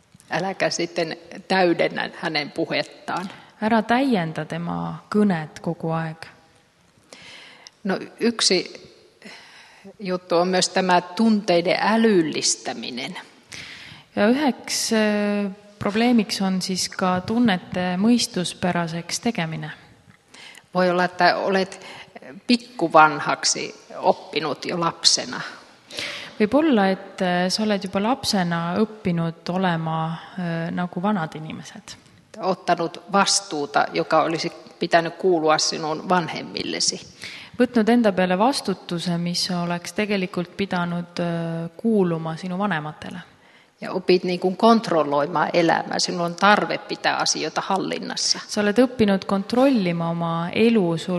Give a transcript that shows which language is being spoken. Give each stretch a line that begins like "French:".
Finnish: Äläkä sitten täydennä hänen puhettaan.
Estonian: Ära täiendä tema kõnet kogu aeg.
Finnish: No yksi juttu on myös tämä tunteiden älyllistäminen.
Estonian: Ja üheks probleemiks on siis ka tunnete mõistuspäraseks tegemine.
Finnish: Voi olla, että olet pikkuvanhaksi oppinut jo lapsena.
Estonian: Võib olla, et sa oled juba lapsena õppinud olema nagu vanad inimesed.
Finnish: Ottanud vastuuta, joka olisi pitänyt kuulua sinun vanhemmillesi.
Estonian: Võtnud enda peale vastutuse, mis oleks tegelikult pidanud kuuluma sinu vanematele.
Finnish: Ja opit niin kuin kontrolloimaan elämää. Sinulla on tarve pitää asioita hallinnassa.
Estonian: Sa oled õppinud kontrollima oma elu.